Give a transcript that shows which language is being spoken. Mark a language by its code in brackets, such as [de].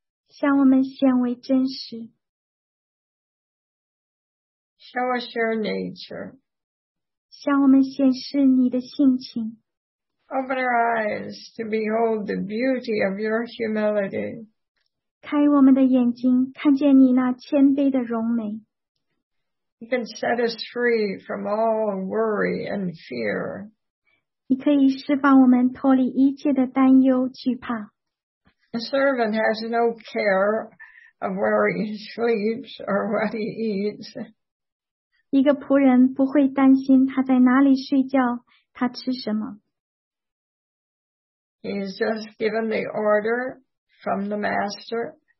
[zh] 向我们显为真实。 [en] Show us your nature. [zh] 向我们显示你的性情。 [en] Open our eyes to behold the beauty of your humility. [zh] 开我们的眼睛，看见你那谦卑的容美。 [en] You can set us free from all worry and fear. [zh] 你可以释放我们脱离一切的担忧惧怕。 [en] The servant has no care of where he sleeps or what he eats. [zh] 一个仆人不会担心他在哪里睡觉，他吃什么。 [en] He is just given the order from the master.